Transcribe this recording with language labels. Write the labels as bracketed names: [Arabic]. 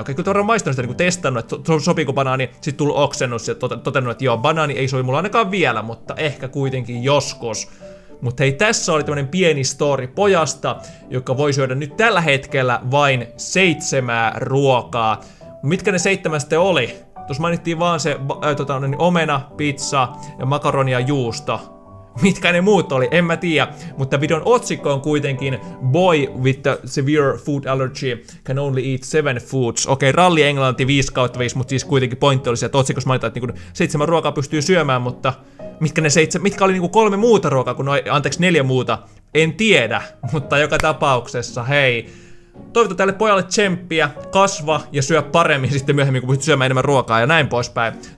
[Finnish] Okei, kyllä on maistanut sitä niin testannut, että sopiiko banaani, sitten tullut oksennus ja totennut, että joo, banaani ei sovi mulla ainakaan vielä, mutta ehkä kuitenkin joskus. Mutta hei, tässä oli tämmönen pieni story pojasta, joka voi syödä nyt tällä hetkellä vain 7 ruokaa. Mitkä ne 7 sitten oli? Tuossa mainittiin vaan se omena, pizza ja makaroni ja juusto. Mitkä ne muut oli? En mä tiedä. Mutta videon otsikko on kuitenkin [English] Boy with a severe food allergy can only eat 7 foods. [Finnish] Okei, ralli Englanti 5/5, mutta siis kuitenkin pointti oli se, että otsikossa mainitaan, että niinku 7 ruokaa pystyy syömään, mutta mitkä oli niinku 3 muuta ruokaa, kun noi, anteeksi, 4 muuta? En tiedä, mutta joka tapauksessa, hei. Toivotan tälle pojalle tsemppiä, kasva ja syö paremmin sitten myöhemmin, kun pystyt syömään enemmän ruokaa ja näin poispäin.